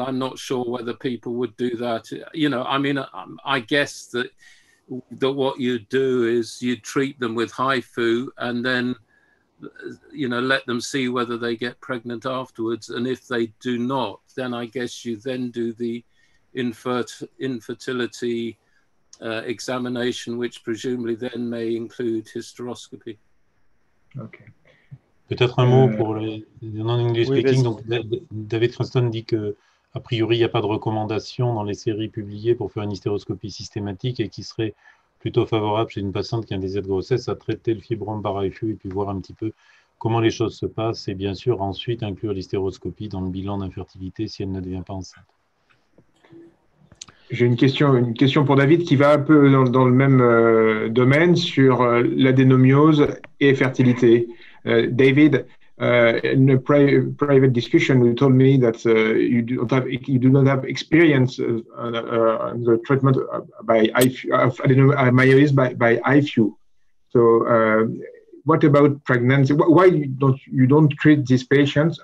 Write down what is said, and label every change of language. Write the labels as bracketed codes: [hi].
[en] I'm not sure whether people would do that. You know, I mean, I guess that what you do is you treat them with HIFU and then, you know, let them see whether they get pregnant afterwards. And if they do not, then I guess you then do the infertility examination, which presumably then may include hysteroscopy. Okay. [fr] Peut-être un mot pour le [en] non-English speaking. [fr] Donc, David Cranston dit que a priori il n'y a pas de recommandation dans les séries publiées pour faire une hystéroscopie systématique et qui serait plutôt favorable chez une patiente qui a un désir de grossesse à traiter le fibrome par IFU et puis voir un petit peu comment les choses se passent et bien sûr ensuite inclure l'hystéroscopie dans le bilan d'infertilité si elle ne devient pas enceinte. J'ai une question pour David qui va un peu dans le même domaine sur l'adénomyose et fertilité. [en] David, in a private discussion, you told me that you do not have experience in the treatment by adenomyosis by IFU. So, what about pregnancy? Why don't you treat these patients?